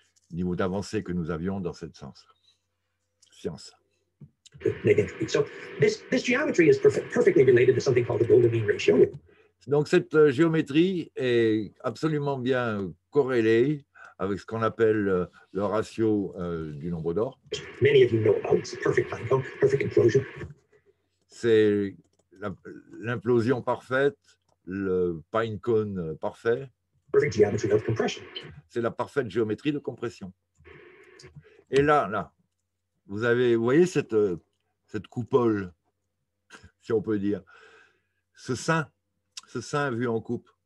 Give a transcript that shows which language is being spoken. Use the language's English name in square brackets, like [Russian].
[French] Niveau d'avancée que nous avions dans cette science. Science. [English] So, this geometry is perfectly related to something called the golden mean ratio. [French] Donc cette géométrie est absolument bien corrélée avec ce qu'on appelle le ratio du nombre d'or. [English] Many of you know about it's a perfect time bomb, perfect implosion. [French] C'est l'implosion parfaite, le [English] pine cone [French] parfait. [English] Perfect geometry of compression. [French] C'est la parfaite géométrie de compression. Et là, vous voyez cette coupole, si on peut dire, ce sein vu en coupe.